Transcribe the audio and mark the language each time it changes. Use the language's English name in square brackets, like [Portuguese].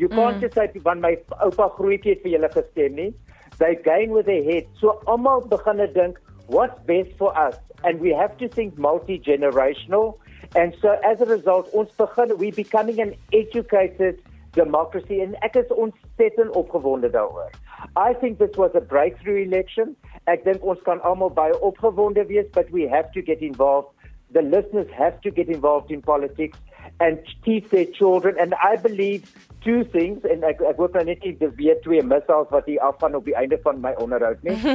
[English] You can't just say, [Afrikaans] van my opa groetie het vir julle gestem nie. [English] They gain with their heads. So almal begin to think, what's best for us? And we have to think multi-generational. And so as a result, we're becoming an educated democracy. [Afrikaans] And ek is ontzettend opgewonde daaroor. [English] I think this was a breakthrough election. [Afrikaans] Ek dink ons kan almal baie opgewonde wees, [English] but we have to get involved. The listeners have to get involved in politics and teach their children. And I believe two things, [Afrikaans] and ek hoop nou net nie dis weer twee missiles wat hier afgaan op die einde van my onderhoud nie.